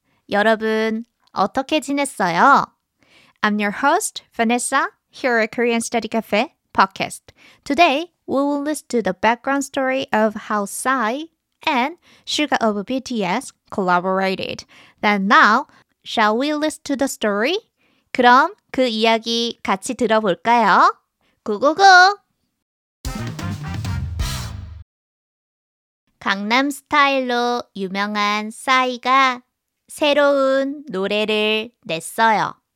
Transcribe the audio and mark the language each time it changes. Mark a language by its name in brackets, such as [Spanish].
[Korean] 여러분, 어떻게 지냈어요? [English] I'm your host, Vanessa, here at Korean Study Cafe podcast. Today, we will listen to the background story of how Psy and Suga of BTS collaborated. Then now, shall we listen to the story? [Korean] 그럼 그 이야기 같이 들어볼까요? 고고고! 강남 스타일로 유명한 싸이가 새로운 노래를 냈어요.